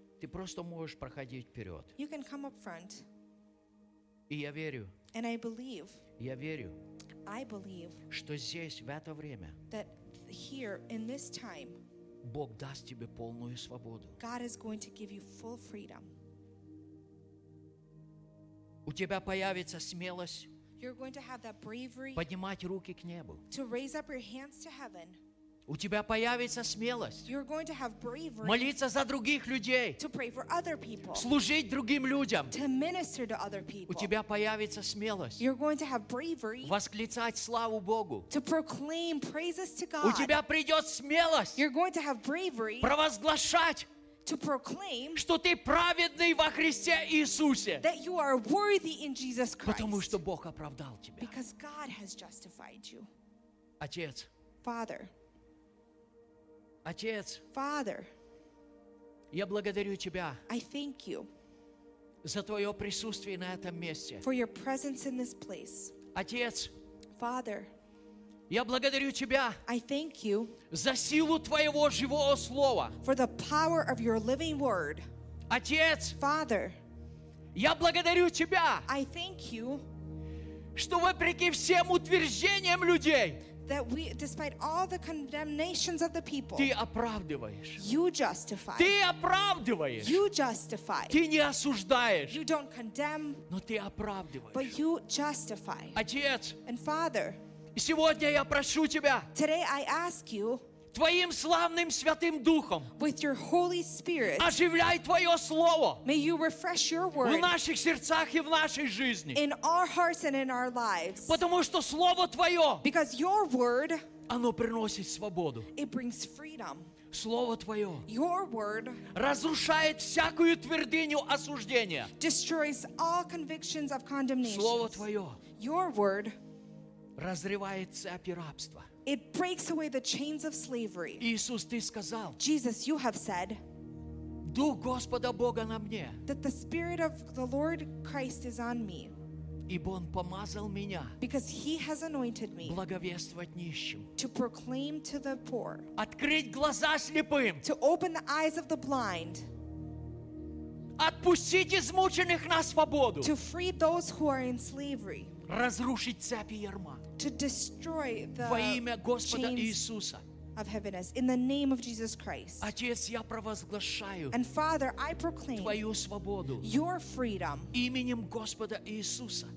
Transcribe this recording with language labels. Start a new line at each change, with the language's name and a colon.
Russian: ты просто можешь проходить вперед.
English: You can come up front.
Russian: И я верю.
English: And I believe.
Russian: Я верю.
English: I believe.
Russian: Что здесь в это время?
English: That here in this time.
Russian: Бог даст тебе полную свободу.
English: God is going to give you full freedom.
Russian: У тебя появится смелость.
English: You're going to have that bravery.
Russian: Поднимать руки к небу.
English: To raise up your hands to heaven.
Russian: У тебя появится смелость.
English: You're going to have bravery.
Russian: Молиться за других людей.
English: To pray for other people.
Russian: Служить другим людям.
English: To minister to other people.
Russian: У тебя появится смелость.
English: You're going to have bravery.
Russian: Восклицать славу Богу.
English: To proclaim praises to God.
Russian: У тебя придет смелость.
English: You're going to have bravery.
Russian: Провозглашать.
English: To proclaim,
Russian: что ты праведный во Христе Иисусе,
English: that you are worthy in Jesus Christ,
Russian: потому что Бог оправдал тебя.
English: Because God has justified you.
Russian: Отец.
English: Father.
Russian: Отец.
English: Father.
Russian: Я благодарю тебя.
English: I thank you.
Russian: За твое присутствие на этом месте.
English: For your presence in this place.
Russian: Отец.
English: Father.
Russian: Я благодарю тебя.
English: I thank you.
Russian: За силу твоего живого слова.
English: For the power of your living word.
Russian: Отец.
English: Father.
Russian: Я благодарю тебя.
English: I thank you.
Russian: Что вопреки всем утверждениям людей.
English: That we, despite all the condemnations of the people.
Russian: Ты оправдываешь.
English: You justify.
Russian: Ты оправдываешь.
English: You justify.
Russian: Ты не осуждаешь.
English: You don't condemn.
Russian: Но ты оправдываешь.
English: But you justify.
Russian: Отец.
English: And Father.
Russian: И сегодня я прошу тебя
English: today I ask you,
Russian: твоим славным Святым Духом
English: with your Holy Spirit,
Russian: оживляй Твое Слово
English: may you refresh your word,
Russian: в наших сердцах и в нашей жизни.
English: In our hearts and in our lives,
Russian: потому что Слово Твое
English: because your word,
Russian: оно приносит свободу.
English: It brings freedom.
Russian: Слово Твое
English: your word,
Russian: разрушает всякую твердыню осуждения.
English: Destroys all convictions of condemnation.
Russian: Слово Твое
English: your word,
Russian: разрывает цепи рабства.
English: It breaks away the chains of slavery.
Russian: Иисус, ты сказал,
English: Jesus, you have said,
Russian: Дух Господа Бога на мне,
English: that the Spirit of the Lord Christ is on me,
Russian: ибо Он помазал меня,
English: because He has anointed me,
Russian: благовествовать нищим,
English: to proclaim to the poor,
Russian: открыть глаза слепым,
English: to open the eyes of the blind,
Russian: отпустить измученных на свободу,
English: to free those who are in slavery,
Russian: разрушить цепи ярма.
English: To destroy the
Russian: во имя Господа Иисуса.
English: Of heaviness, in the name of Jesus Christ.
Russian: Отец, я провозглашаю
English: and Father, I proclaim
Russian: твою свободу
English: your freedom
Russian: именем Господа Иисуса.